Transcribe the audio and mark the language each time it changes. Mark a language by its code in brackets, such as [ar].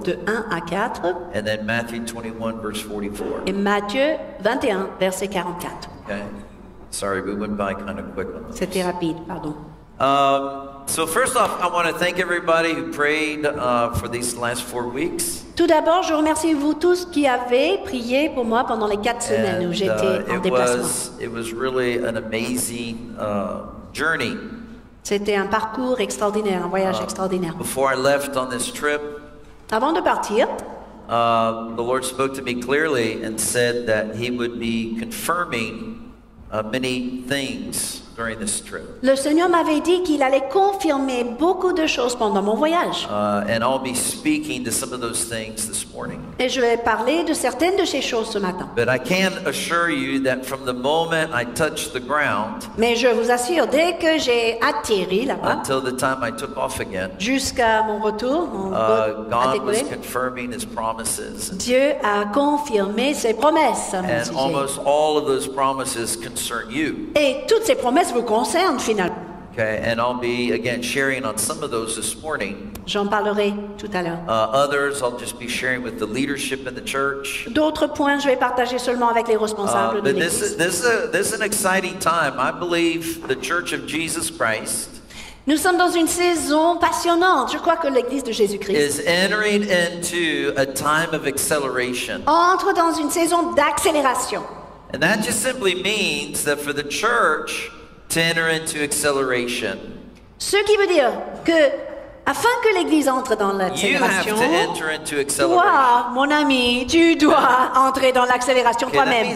[fr] De 1 à 4. [en] And then Matthew 21, verse 44. [fr] Et Matthieu 21, verset 44. [en] Okay. Sorry, we went by kind of quick on those. [fr] C'était rapide, pardon. [en] So first off, I want to thank everybody who prayed for these last 4 weeks. [fr] Tout d'abord, je remercie vous tous qui avez prié pour moi pendant les 4 semaines où j'étais en déplacement. [en] It was really an amazing journey. [fr] C'était un parcours extraordinaire, un voyage extraordinaire. [en] Before I left on this trip, [fr] avant de partir, [en] the Lord spoke to me clearly and said that He would be confirming many things during this trip. [fr] Le Seigneur m'avait dit qu'il allait confirmer beaucoup de choses pendant mon voyage. [en] And I'll be speaking to some of those things this morning. [fr] Et je vais parler de certaines de ces choses ce matin. [en] But I can assure you that from the moment I touched the ground, [fr] mais je vous assure, dès que j'ai atterri là-bas, [en] until the time I took off again, [fr] jusqu'à mon retour, [en] God was confirming His promises. [fr] Dieu a confirmé ses promesses. [en] And almost all of those promises concern you. [fr] Et toutes ces promesses vous concernent finalement. [en] Okay, and I'll be again sharing on some of those this morning. [fr] J'en parlerai tout à l'heure. [en] Others, I'll just be sharing with the leadership in the church. [fr] D'autres points, je vais partager seulement avec les responsables de l'église. [en] This is an exciting time. I believe the Church of Jesus Christ. [fr] Nous sommes dans une saison passionnante. Je crois que l'église de Jésus-Christ [en] is entering into a time of acceleration. [fr] Entre dans une saison d'accélération. [en] And that just simply means that for the church to enter into acceleration, [fr] ce qui veut dire que afin que l'église entre dans l'accélération, toi, mon ami, tu dois entrer dans l'accélération toi-même.